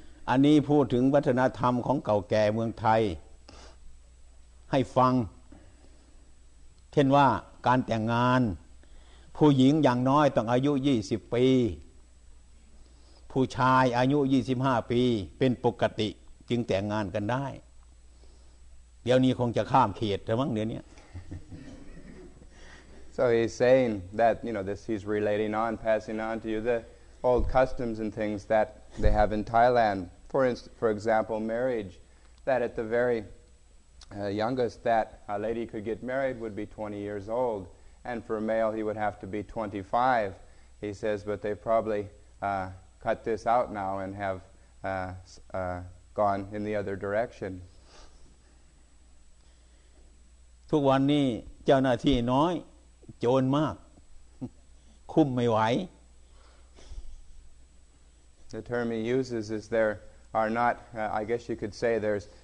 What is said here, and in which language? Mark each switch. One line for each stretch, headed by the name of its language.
Thai: อันนี้พูดถึงวัฒนธรรมของเก่าแก่เมืองไทยให้ฟังเช่นว่าการแต่งงานผู้หญิงอย่างน้อยต้องอายุ20ปีผู้ชายอายุ25ปีเป็นปกติจึงแต่งงานกันได้เดี๋ยวนี้คงจะข้ามเขตแล้วมั้งเดี๋ยวนี้
English: So he's saying that you know this he's relating on passing on to you the old customs and things that they have in Thailand for example marriage that at the veryYoungest that a lady could get married would be 20 years old, and for a male he would have to be 25. He says, but they've probably cut this out now and have gone in the other direction.
Thai: ทุกวันนี้เจ้าหน้าที่น้อยโจรมากคุมไม่ไหว
English: The term he uses is there are not, I guess you could say there's.